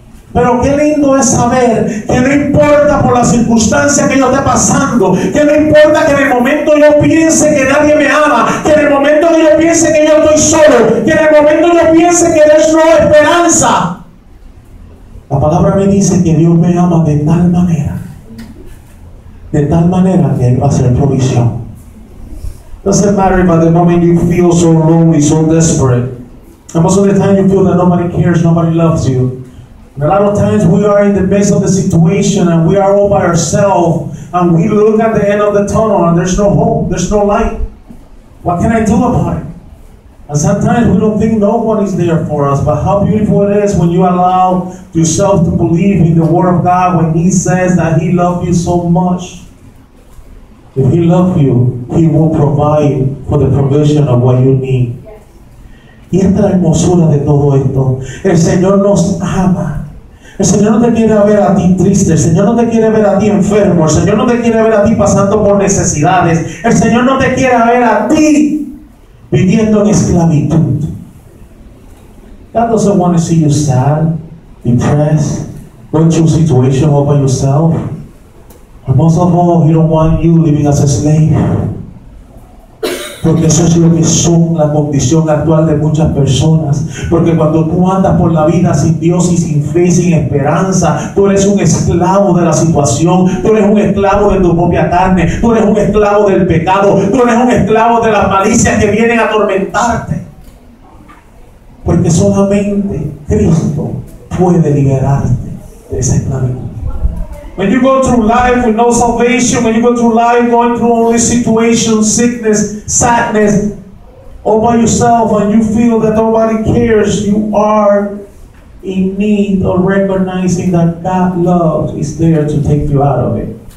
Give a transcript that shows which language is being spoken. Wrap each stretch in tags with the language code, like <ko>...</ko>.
<es>Pero qué lindo es saber que no importa por la circunstancia que yo esté pasando, que no importa que en el momento yo piense que nadie me ama, que en el momento que yo piense que yo estoy solo, que en el momento yo piense que Dios no hay esperanza. La palabra me dice que Dios me ama de tal manera que Él va a hacer provisión.</es> <en>Doesn't matter if at the moment you feel so lonely, so desperate. And most of the time you feel that nobody cares, nobody loves you. A lot of times we are in the midst of the situation and we are all by ourselves and we look at the end of the tunnel and there's no hope, there's no light. What can I do about it? And sometimes we don't think no one is there for us, but how beautiful it is when you allow yourself to believe in the Word of God when He says that He loves you so much. If He loves you, He will provide for the provision of what you need.</en> <es>Y esta es la hermosura de todo esto. El Señor nos ama. El Señor no te quiere ver a ti triste. El Señor no te quiere ver a ti enfermo. El Señor no te quiere ver a ti pasando por necesidades. El Señor no te quiere ver a ti viviendo en esclavitud.</es> <en>God doesn't want to see you sad, depressed, going through a situation all by yourself. But most of all, He don't want you living as a slave.</en> <es>Porque eso es lo que son la condición actual de muchas personas. Porque cuando tú andas por la vida sin Dios y sin fe y sin esperanza, tú eres un esclavo de la situación, tú eres un esclavo de tu propia carne, tú eres un esclavo del pecado, tú eres un esclavo de las malicias que vienen a atormentarte. Porque solamente Cristo puede liberarte de esa esclavitud.</es> <en>When you go through life with no salvation, when you go through life going through all these situations, sickness, sadness, all by yourself, and you feel that nobody cares, you are in need of recognizing that God's love is there to take you out of it.</en>